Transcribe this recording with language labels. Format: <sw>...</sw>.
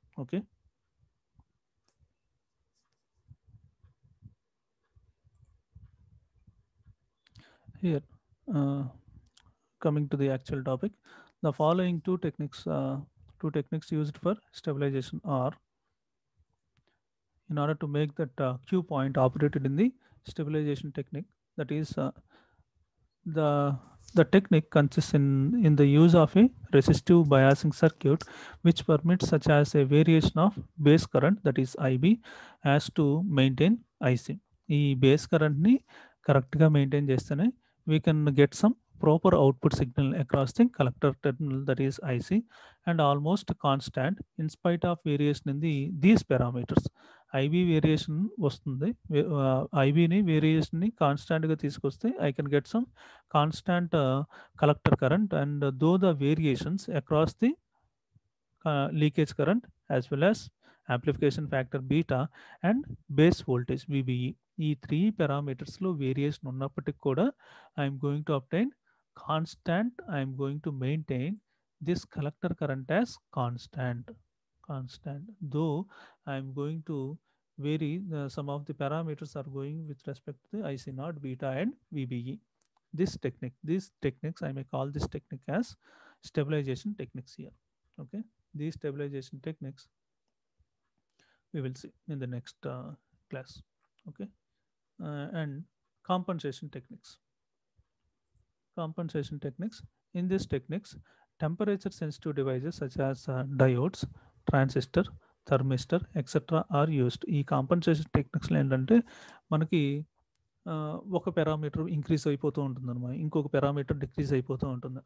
<en>Okay, here coming to the actual topic, the following two techniques used for stabilization are in order to make that Q point operated in the stabilization technique. That is the technique consists in the use of a resistive biasing circuit which permits such as a variation of base current that is IB as to maintain IC.</en> <te>ee base current ni correct ga maintain chestane</te> <en>we can get some proper output signal across the collector terminal that is IC and almost constant in spite of variation in these parameters.</en> <te>IB variation వస్తుంది, ఐబీని వేరియేషన్ని కాన్స్టాంట్గా తీసుకొస్తే</te> <en>I can get some constant collector current and though the variations across the leakage current as well as amplification factor beta and base voltage VBE.</en> <te>ఈ three పారామీటర్స్లో variation ఉన్నప్పటికీ కూడా</te> <en>I'm going to obtain constant, I'm going to maintain this collector current as constant though I am going to vary some of the parameters are going with respect to the IC naught, beta and VBE. These techniques, I may call this technique as stabilization techniques here. Okay, these stabilization techniques we will see in the next class. Okay, and compensation techniques. In these techniques, temperature sensitive devices such as diodes, transistor, thermistor etcetera are used.</en> <te>ఈ compensation టెక్నిక్స్లో ఏంటంటే మనకి ఒక parameter increase అయిపోతూ ఉంటుంది అనమాట, ఇంకొక parameter decrease అయిపోతూ ఉంటుంది.</te>